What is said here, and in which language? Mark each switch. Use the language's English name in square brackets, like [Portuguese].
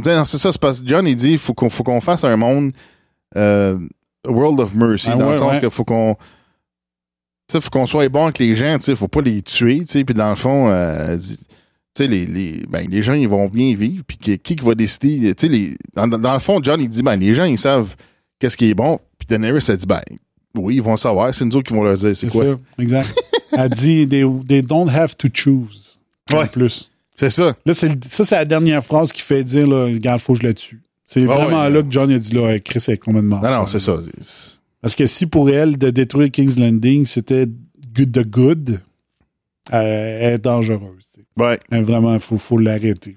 [French] Non, c'est ça, c'est parce que John, il dit faut qu'on fasse un monde [English] world of mercy, [French] dans le sens que faut qu'on soit bon avec les gens, tu sais, faut pas les tuer, tu sais, puis dans le fond, les gens, ils vont bien vivre, puis qui va décider, tu sais, dans le fond, John, il dit, les gens, ils savent qu'est-ce qui est bon, puis Daenerys, elle dit, oui, ils vont savoir, c'est nous autres qui vont leur dire, c'est quoi? C'est ça, exact. Elle dit, [English] they don't have to choose, plus. [French] C'est ça. Là, c'est la dernière phrase qui fait dire, regarde, faut que je la tue. C'est là que John a dit, Chris est complètement mort. Non, c'est ça. Parce que si pour elle, de détruire King's Landing, c'était [English] good the good, [French] elle est dangereuse. Ouais. Elle est vraiment, faut l'arrêter.